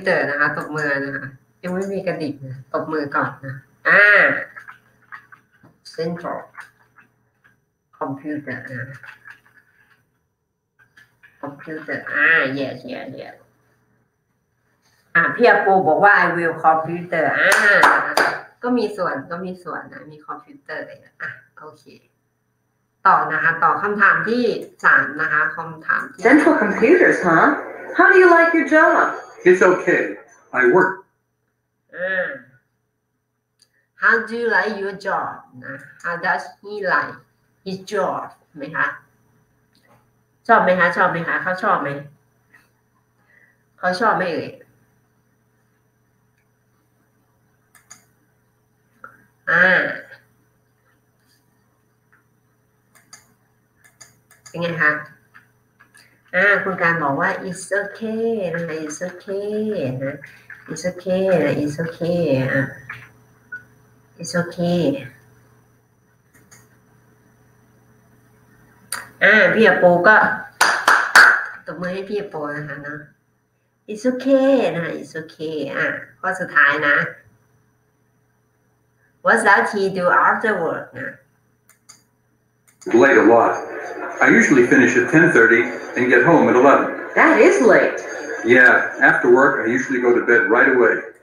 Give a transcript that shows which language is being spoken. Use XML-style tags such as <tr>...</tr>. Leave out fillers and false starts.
<th>นะคะตบมือนะคะยังไม่มีกระดิกนะตบมือก่อนนะCentral Computer นะ</th> <en>Computer yes</en> <th>พี่อากูบอกว่า</th> <en>I will computer</en> <th>ก็มีส่วนนะมีคอมพิวเตอร์อ่ะโอเคต่อนะคะต่อคำถามที่3นะคะคำถามที่</th> <en>Central Computers huh How do you like your job It's okay. I work. How do you like your job? How does he like his job?</en> <th>ไหมคะชอบไหมคะชอบไหมคะเขาชอบไหมเขาชอบไหมเอ่ ยยังไงคะคุณการบอกว่า</th> <en>it's okay นะคะ it's okay นะ it's okay นะ it's okay it's okay</en> <th>พี่อโปก็ตบมือให้พี่อโปนะคะเนาะ</th> <en>it's okay</en> <th>นะ it's okay ข้อสุดท้ายนะ</th> <en>what's that he do after work</en> <th>นะ</th> <en>late a lot I usually finish at 10:30And get home at 11. That is late. Yeah, after work, I usually go to bed right away.</en>